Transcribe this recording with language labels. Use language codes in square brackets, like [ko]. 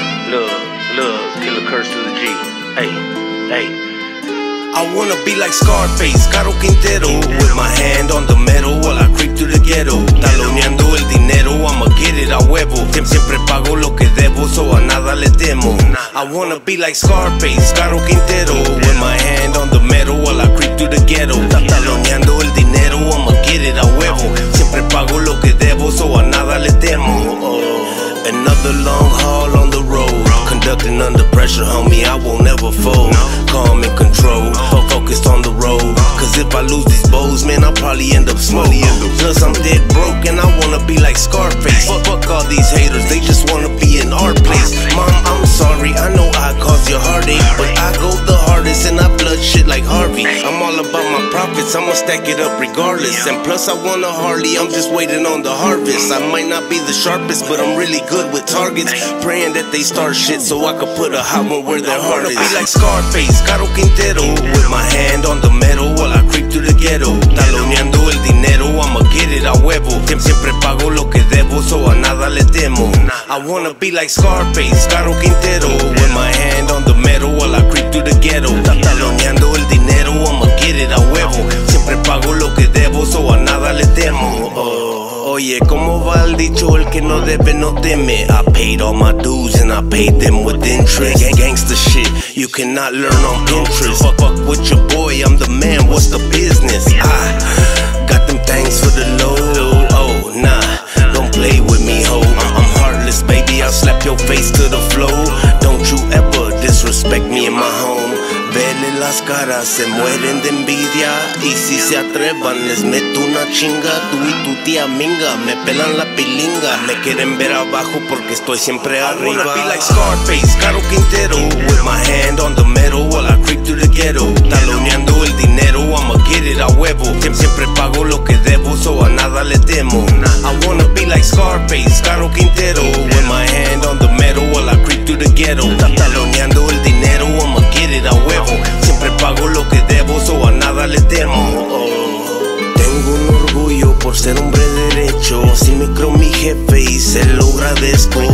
[en] Look, look, kill a curse to the G. Hey, hey. I wanna be like Scarface, Caro Quintero. With my hand on the metal while I creep through the ghetto. [es] Taloneando el dinero, [en] I'ma get it [es] a huevo. Siempre pago lo que debo, so a nada le temo. [en] I wanna be like Scarface, Caro Quintero. With my hand on the metal while I creep through the ghetto. [es] Taloneando el dinero, [en] I'ma get it [es] a huevo. Siempre pago lo que debo, so a nada le temo. [en] Another long haul on the road. Conducting under pressure, homie, I won't ever fold. Calm and controlled, focused on the road. Cause if I lose these bows, man, I'll probably end up smoking. Plus I'm dead broke and I wanna be like Scarface. But fuck all these haters, they just wanna be in our place. Mom, I'm sorry, I know I caused your heartache. But I go the hardest and I blood shit like Harvey. I'm all about my profits, I'ma stack it up regardless. And plus I want a Harley, I'm just waiting on the harvest. I might not be the sharpest, but I'm really good with targets. Praying that they start shit so I could put a hot one where their heart is. I wanna be like Scarface, Caro Quintero. With my hand on the metal while I creep through the ghetto. [es] Taloneando el dinero, [en] I'ma get it [es] a huevo. Siempre pago lo que debo, so a nada le temo. [en] I wanna be like Scarface, Caro Quintero. With my hand on the metal while I creep through the ghetto. [es] Taloneando el dinero, [en] I'ma get it [es] a huevo. Siempre pago lo que debo, so a nada le temo. Oye, ¿cómo va el dicho? El que no debe, no teme. [en] I paid all my dues and I paid them with interest. Gangsta shit, you cannot learn on Pinterest. Fuck with your boy, I'm the man, what's the business? I got them thanks for the low. Oh, nah, don't play with me, ho. I'm heartless, baby, I'll slap your face to the flow. Don't you ever disrespect me in my home. [es] Vele las caras, se mueren de envidia. Y si se atrevan, les meto una chinga. Tú y tu tía Minga, me pelan la pilinga. Me quieren ver abajo porque estoy siempre arriba. [en] I wanna be like Scarface, [es] Caro Quintero. [en] With my hand on the metal while I creep through the ghetto. [es] Taloneando el dinero, [en] I'ma get it [es] a huevo. Siempre pago lo que debo, so a nada le temo. [en] I wanna be like Scarface, Caro Quintero. With my hand on the metal while I creep through the ghetto. [es] Taloneando el dinero, [en] I'ma get it [es] a huevo. Siempre pago lo que debo, so a nada le temo. Tengo un orgullo por ser hombre derecho. Si me creo mi jefe y se lo agradezco.